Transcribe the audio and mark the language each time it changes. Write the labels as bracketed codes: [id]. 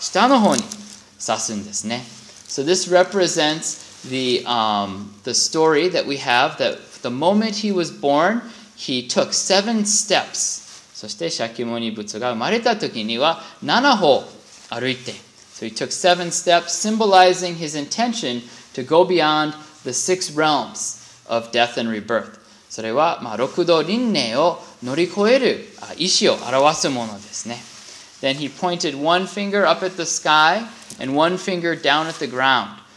[ja] そしてこの赤ちゃんである仏像ですけど、一つの手が上に刺して、そしてもう一つの手は下の方に刺すんですね。 [en] So this represents the story that we have, that the moment he was born, he took seven steps. [ja] そして釈迦牟尼仏が生まれた時には7歩歩いて。 [en] So he took seven steps, symbolizing his intention to go beyond the six realms of death and rebirth. [ja] それは六道輪廻を乗り越える意志を表すものですね。 [en] Then he pointed one finger up at the sky and one finger down at the ground.